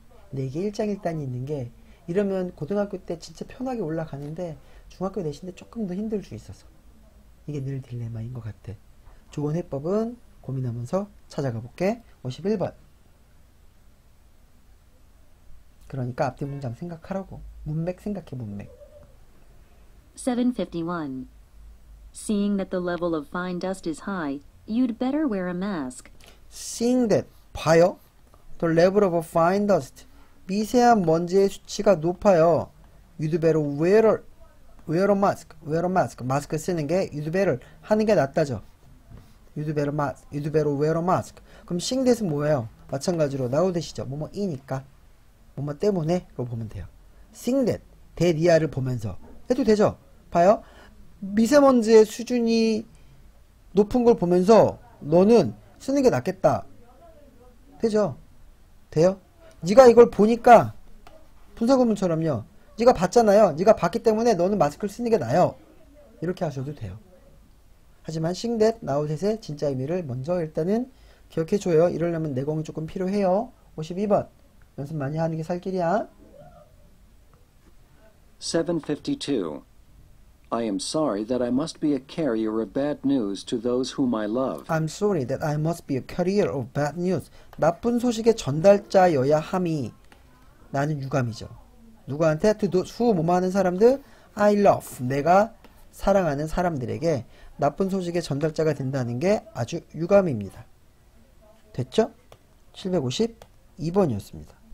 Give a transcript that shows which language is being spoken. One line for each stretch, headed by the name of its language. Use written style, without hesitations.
Korean: 근데 이게 일장일단이 있는 게 이러면 고등학교 때 진짜 편하게 올라가는데 중학교 내신 때 조금 더 힘들 수 있어서 이게 늘 딜레마인 것 같아. 좋은 해법은 고민하면서 찾아가 볼게. 51번. 그러니까 앞뒤 문장 생각하라고. 문맥 생각해, 문맥. 751.
English: Seeing that the level of fine dust is high, you'd better wear a mask. Seeing that, 봐요. The level of fine dust,
Korean: 미세한 먼지의 수치가 높아요.
English: You'd better wear a mask. Wear a mask.
Korean: 마스크 쓰는 게,
English: you'd better
Korean: 하는 게 낫다죠.
English: You'd better, you'd better wear a mask.
Korean: 그럼 seeing that은 뭐예요? 마찬가지로 now 되시죠. 뭐뭐 이니까. 뭐뭐 때문에 로 보면 돼요.
English: Seeing that, that
Korean: 이하를 보면서 해도 되죠? 봐요. 미세먼지의 수준이 높은 걸 보면서 너는 쓰는 게 낫겠다. 되죠? 돼요? 네가 이걸 보니까 분사구문처럼요. 네가 봤잖아요. 네가 봤기 때문에 너는 마스크를 쓰는 게 나아요. 이렇게 하셔도 돼요. 하지만
English: Seeing that, now that
Korean: 의 진짜 의미를 먼저 일단은 기억해줘요. 이러려면 내공이 조금 필요해요. 52번. 연습 많이 하는 게 살 길이야. 752.
English: I am sorry that I must be a carrier of bad news to those whom I love. I'm sorry that I must be a carrier of bad news.
Korean: 나쁜 소식의 전달자여야 함이 나는 유감이죠. 누구한테?
English: To those who
Korean: 뭐뭐 하는 사람들?
English: I love.
Korean: 내가 사랑하는 사람들에게 나쁜 소식의 전달자가 된다는 게 아주 유감입니다. 됐죠? 752번이었습니다.